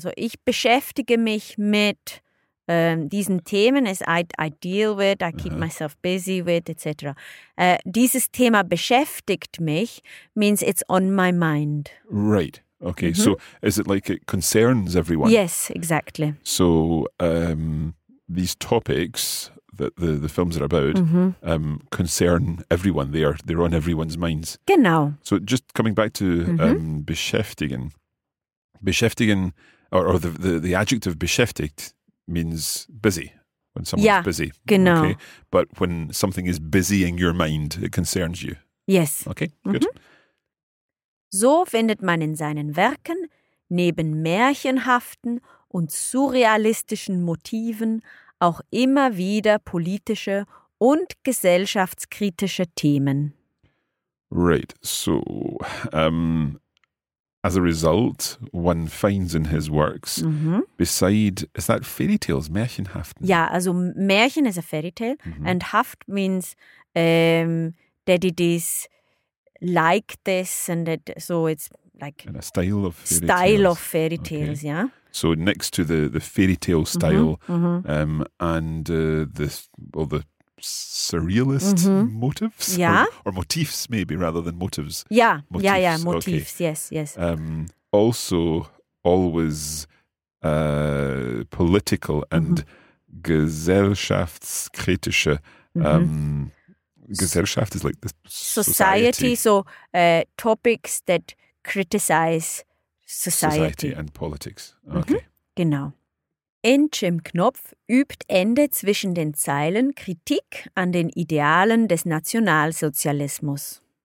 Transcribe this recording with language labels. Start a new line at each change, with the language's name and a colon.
German: So ich beschäftige mich mit diesen Themen,
English: as I deal with, I keep uh-huh. myself busy with, etc.
German: Dieses Thema beschäftigt mich
English: means it's on my mind. Right. Okay. Mm-hmm. So is it like it concerns everyone? Yes, exactly. So these topics that the films are about mm-hmm. Concern everyone. They're on everyone's minds.
German: Genau.
English: So just coming back to mm-hmm. Beschäftigen. Beschäftigen, or the adjective beschäftigt, means busy, when someone's yeah, busy.
German: Genau.
English: Okay. But when something is busying your mind, it concerns you. Yes. Okay, mm-hmm. good.
German: So findet man in seinen Werken neben märchenhaften und surrealistischen Motiven auch immer wieder politische und gesellschaftskritische Themen.
English: Right, so as a result, one finds in his works, mm-hmm. beside, is that fairy tales, märchenhaften? Yeah, also märchen is a fairy tale, mm-hmm. and haft means that it is like this, and it, so it's like... In a style of fairy style tales. Style of fairy tales, okay. yeah. So next to the fairy tale style, mm-hmm. And the surrealist mm-hmm. motives? Yeah. Or motifs, maybe, rather than motives. Yeah, motifs. Yeah, yeah, motifs, okay. yes. Also, always political and gesellschaftskritische Gesellschaft is like the society. So topics that criticize society. Society and politics. Okay. Mm-hmm.
German: Genau. In Jim Knopf übt Ende zwischen den Zeilen Kritik an den Idealen des Nationalsozialismus.